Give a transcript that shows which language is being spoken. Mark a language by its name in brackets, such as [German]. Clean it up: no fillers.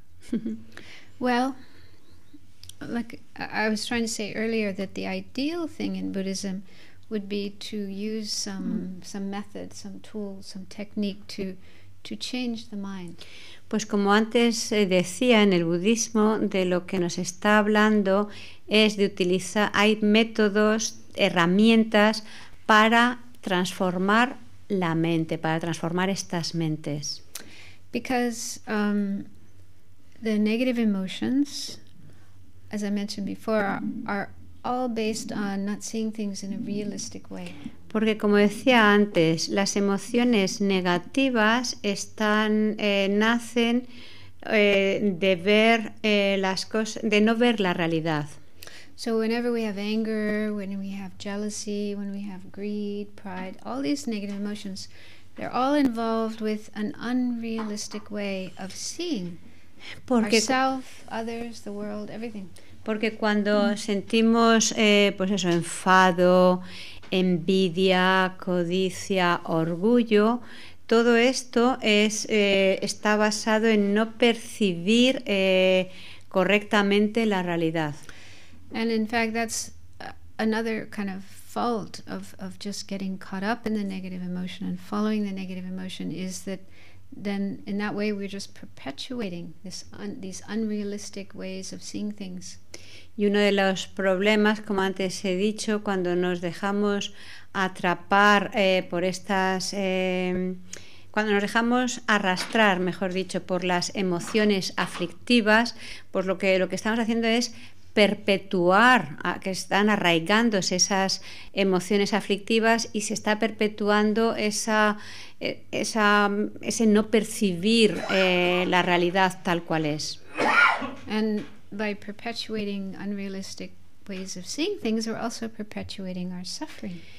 [English] Mm-hmm. Well, like I was trying to say earlier, that the ideal thing in Buddhism would be to use some method, some tool, some technique to change the mind. [Spanish] Pues como antes decía, en el budismo, de lo que nos está hablando es de utilizar, hay métodos, herramientas para transformar la mente, para transformar estas mentes. [English] Because the negative emotions, as I mentioned before, are all based on not seeing things in a realistic way. [Spanish] Porque como decía antes, las emociones negativas están nacen de ver las cosas, de no ver la realidad. [English] So whenever we have anger, when we have jealousy, when we have greed, pride, all these negative emotions, they're all involved with an unrealistic way of seeing ourselves, others, the world, everything. [Spanish] Porque cuando sentimos pues eso, enfado, envidia, codicia, orgullo, todo esto es está basado en no percibir correctamente la realidad. [English] And in fact, that's another kind of fault of just getting caught up in the negative emotion and following the negative emotion, is that then in that way we're just perpetuating this these unrealistic ways of seeing things. [Spanish] Y uno de los problemas, como antes he dicho, cuando nos dejamos atrapar por estas cuando nos dejamos arrastrar, mejor dicho, por las emociones aflictivas, pues lo que estamos haciendo es perpetuar, que están arraigándose esas emociones aflictivas, y se está perpetuando ese no percibir la realidad tal cual es. [English] And by perpetuating unrealistic ways of seeing things, we're also perpetuating our suffering.